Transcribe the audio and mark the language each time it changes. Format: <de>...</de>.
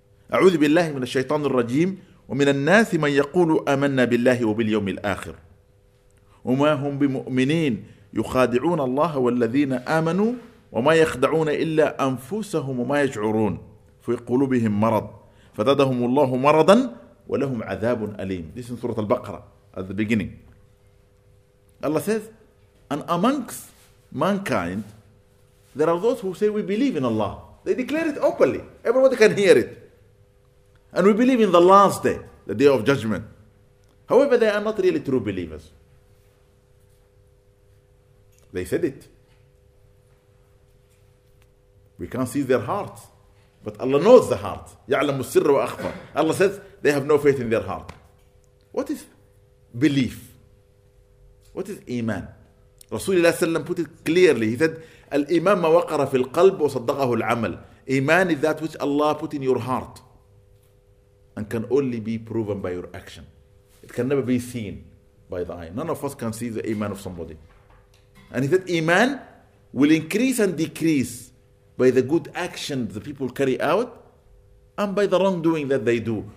<ar>أعوذ بالله من الشيطان الرجيم ومن الناس من يقول آمنا بالله وباليوم الآخر وما هم بمؤمنين يخادعون الله والذين آمنوا وما يخدعون إلا أنفسهم وما يشعرون في قلوبهم مرض فزادهم الله مرضا ولهم عذاب أليم.</ar> <en>This is Surah Al-Baqarah at the beginning. Allah says, and amongst mankind there are those who say we believe in Allah. They declare it openly. Everybody can hear it. And we believe in the last day, the day of judgment. However, they are not really true believers. They said it. We can't see their hearts. But Allah knows the heart.</en> <ar>يَعْلَمُ السِّرَّ وَأَخْفَى.</ar> <en>Allah says, they have no faith in their heart. What is belief? What is iman? Rasulullah sallam put it clearly. He said,</en> <ar>الإيمان ما وقر في القلب وصدقه العمل.</ar> <en>Iman is that which Allah put in your heart and can only be proven by your action. It can never be seen by the eye. None of us can see the iman of somebody. And he said, iman will increase and decrease by the good action the people carry out and by the wrongdoing that they do.</en>